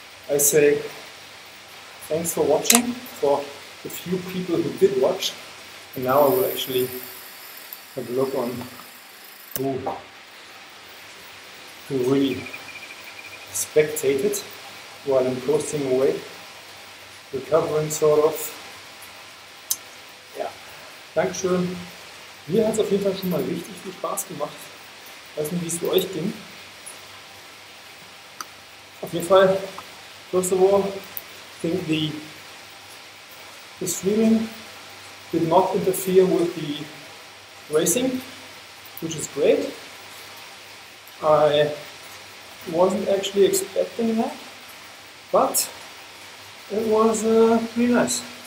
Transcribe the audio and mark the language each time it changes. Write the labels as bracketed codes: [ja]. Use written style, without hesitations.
[en] I say thanks for watching, for the few people who did watch. And now I will actually have a look on who really spectated while I'm posting away, recovering sort of. [de] Yeah, Dankeschön. Mir hat es auf jeden Fall schon mal richtig viel Spaß gemacht. Ich weiß nicht, wie es für euch ging. Auf jeden Fall, [en] first of all, I think the swimming did not interfere with the racing, which is great. I wasn't actually expecting that, but it was pretty nice.